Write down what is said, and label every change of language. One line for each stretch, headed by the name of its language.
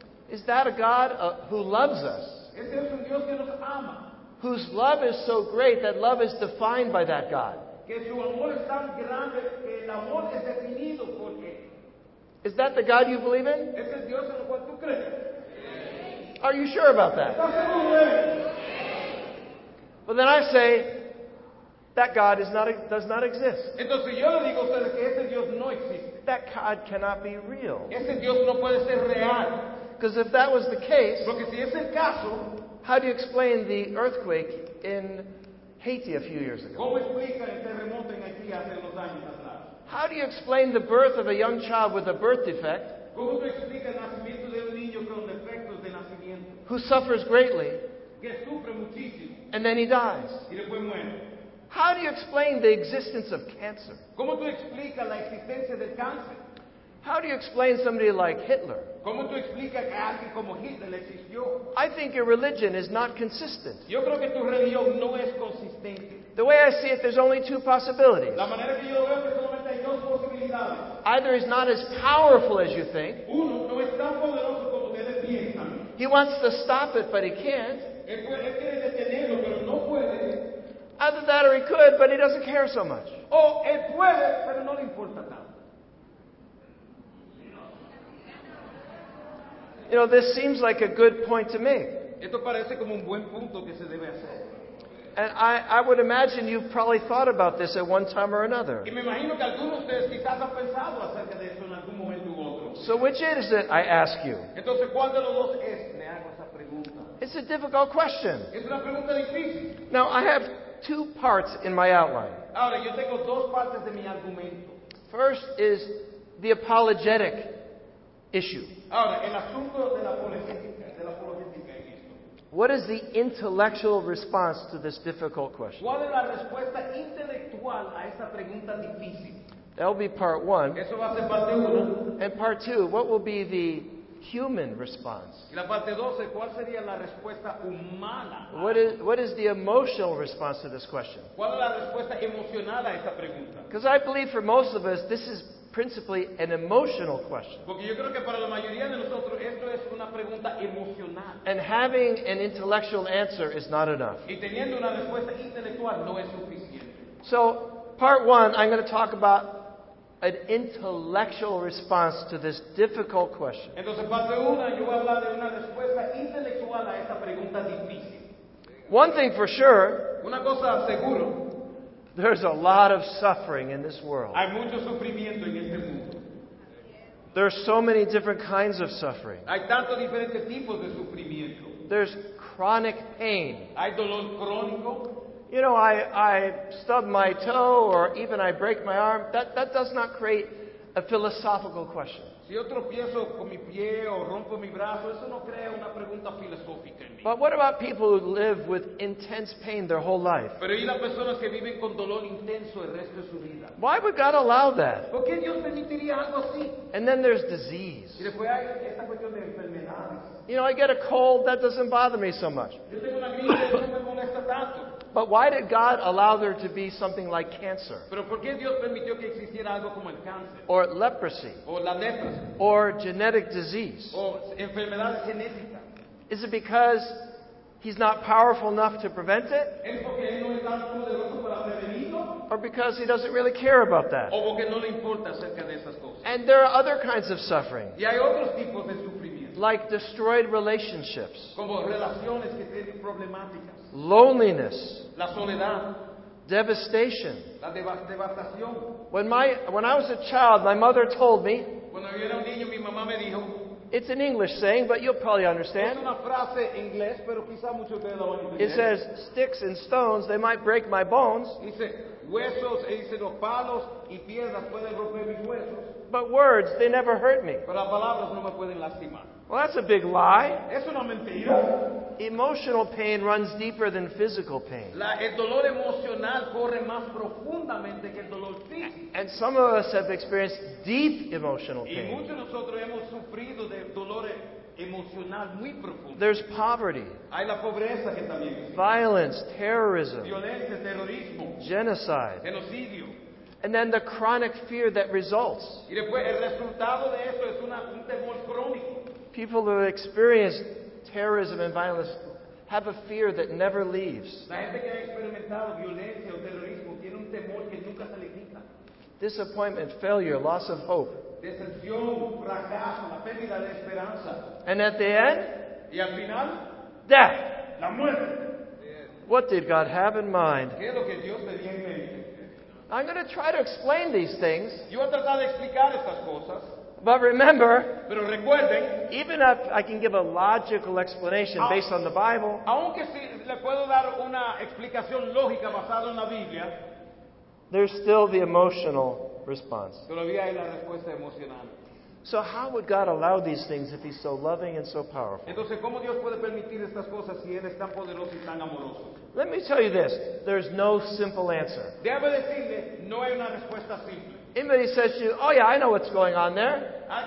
English: is that a God who loves us?
Spanish: Este es un Dios que nos ama.
English: Whose love is so great that love is defined by that God?
Spanish: Que su amor es tan grande que el amor es definido por él.
English: Is that the God you believe in?
Spanish: Este es Dios en lo cual tú crees.
English: Are you sure about that?
Spanish: ¿Estás seguro de él?
English: Well, then I say that God does not exist.
Spanish: Entonces yo le digo a ustedes que este Dios no existe.
English: That God cannot be real.
Spanish: Este Dios no puede ser real.
English: Because if that was the case,
Spanish: porque si es el caso,
English: how do you explain the earthquake in Haiti a few years ago?
Spanish: ¿Cómo explica el terremoto en Haití hace unos años atrás?
English: How do you explain the birth of a young child with a birth defect?
Spanish: ¿Cómo te explica el nacimiento de un niño con defectos de nacimiento?
English: Who suffers greatly,
Spanish: que sufre muchísimo,
English: and then he dies.
Spanish: Y después muere.
English: How do you explain the existence of cancer?
Spanish: ¿Cómo tú explica la existencia del cáncer?
English: How do you explain somebody like Hitler?
Spanish: ¿Cómo tú explicas que alguien como Hitler existió?
English: I think your religion is not consistent.
Spanish: Yo creo que tu religión no es consistente.
English: The way I see it, there's only two possibilities.
Spanish: La manera que yo veo es que solamente hay dos posibilidades.
English: Either he's not as powerful as you think.
Spanish: Uno, no es tan poderoso como ustedes piensan.
English: He wants to stop it, but he can't.
Spanish: Él quiere detenerlo, pero no puede.
English: Either that or he could, but he doesn't care so much.
Spanish: O él puede, pero no le importa tanto.
English: You know, this seems like a good point to make.
Spanish: Esto parece como un buen punto que se debe hacer.
English: And I would imagine you've probably thought about this at one time or another.
Spanish: Y me imagino que alguno de ustedes quizás ha pensado acerca de eso en algún momento u otro.
English: So which is it, I ask you?
Spanish: Entonces, ¿cuál de los dos es? Me hago esa pregunta.
English: It's a difficult question.
Spanish: Es una pregunta difícil.
English: Now, I have two parts in my outline.
Spanish: Ahora, yo tengo dos partes de mi argumento.
English: First is the apologetic issue.
Spanish: Ahora, el asunto de la apologética en esto.
English: What is the intellectual response to this difficult question?
Spanish: ¿Cuál es la respuesta intelectual a esta pregunta difícil?
English: That will be part one.
Spanish: Eso va a ser parte uno.
English: And part two, what will be the human response?
Spanish: Y la parte dos, ¿cuál sería la respuesta humana?
English: What is the emotional response to this question?
Spanish: ¿Cuál es la respuesta emocional a esta pregunta?
English: Because I believe for most of us, this is principally an emotional question.
Spanish: Porque yo creo que para la mayoría de nosotros esto es una pregunta emocional.
English: And having an intellectual answer is not enough.
Spanish: Y teniendo una respuesta intelectual no es suficiente.
English: So, part one, I'm going to talk about an intellectual response to this difficult question.
Spanish: Entonces, parte una, yo voy a hablar de una respuesta intelectual a esta pregunta difícil.
English: One thing for sure.
Spanish: Una cosa seguro.
English: There's a lot of suffering in this world.
Spanish: Hay mucho sufrimiento en este mundo.
English: There are so many different kinds of suffering.
Spanish: Hay tantos diferentes tipos de sufrimiento.
English: There's chronic pain.
Spanish: Hay dolor crónico.
English: You know, I stub my toe or even I break my arm. That does not create a philosophical question.
Spanish: Si yo tropiezo con mi pie o rompo mi brazo, eso no crea una pregunta filosófica en mí.
English: But what about people who live with intense pain their whole life?
Spanish: Pero ¿y las personas que viven con dolor intenso el resto de su vida?
English: Why would God allow that?
Spanish: ¿Por qué Dios permitiría algo así?
English: And then there's disease.
Spanish: Y después hay esta cuestión de enfermedades.
English: You know, I get a cold, that doesn't bother me so much.
Spanish: Yo tengo una gripe, eso no me molesta tanto.
English: But why did God allow there to be something like cancer?
Spanish: Pero ¿por qué Dios permitió que existiera algo como el cáncer?
English: Or leprosy?
Spanish: O la lepra.
English: Or genetic disease?
Spanish: O enfermedad genética.
English: Is it because he's not powerful enough to prevent it?
Spanish: ¿Es porque él no es tan poderoso para prevenirlo?
English: Or because he doesn't really care about that?
Spanish: O porque no le importa acerca de esas cosas.
English: And there are other kinds of suffering.
Spanish: Y hay otros tipos de sufrimiento.
English: Like destroyed relationships.
Spanish: Como relaciones que tienen problemáticas.
English: Loneliness.
Spanish: La soledad.
English: Devastation.
Spanish: La devastación.
English: When I was a child, my mother told me,
Spanish: cuando yo era un niño, mi mamá me dijo,
English: it's an English saying, but you'll probably understand.
Spanish: Es una frase en inglés, pero quizá mucho te lo van a entender.
English: It says, sticks and stones, they might break my bones.
Spanish: Dice, huesos, dice, los palos y piedras pueden romper mis huesos.
English: But words, they never hurt me.
Spanish: Pero las palabras no me pueden lastimar.
English: Well, that's a big lie.
Spanish: Es una mentira.
English: Emotional pain runs deeper than physical pain.
Spanish: El dolor emocional corre más profundamente que el dolor físico.
English: And some of us have experienced deep emotional pain.
Spanish: Y muchos de nosotros hemos sufrido de dolores emocional muy profundo.
English: There's poverty.
Spanish: Hay la pobreza que también existe.
English: Violence, terrorism.
Spanish: Violencia, terrorismo.
English: Genocide.
Spanish: Genocidio.
English: And then the chronic fear that results.
Spanish: Y después el resultado de eso es un temor crónico.
English: People who have experienced terrorism and violence have a fear that never leaves.
Spanish: La gente que ha experimentado violencia o terrorismo tiene un temor que nunca se le quita.
English: Disappointment, failure, loss of hope.
Spanish: Decepción, fracaso, la pérdida de esperanza.
English: And at the end?
Spanish: Y al final?
English: Death.
Spanish: La muerte.
English: What did God have in mind?
Spanish: ¿Qué es lo que Dios tenía en mente?
English: I'm going to try to explain these things.
Spanish: Yo voy a tratar de explicar estas cosas.
English: But remember,
Spanish: pero recuerden,
English: even if I can give a logical explanation based on the Bible,
Spanish: aunque si le puedo dar una explicación lógica basada en la Biblia,
English: there's still the emotional response.
Spanish: Todavía hay la respuesta emocional.
English: So how would God allow these things if he's so loving and so powerful?
Spanish: Entonces, ¿cómo Dios puede permitir estas cosas si él es tan poderoso y tan amoroso?
English: Let me tell you this, there's no simple answer.
Spanish: Debo decirle, no hay una respuesta simple.
English: Anybody says to you, oh yeah, I know what's going on there.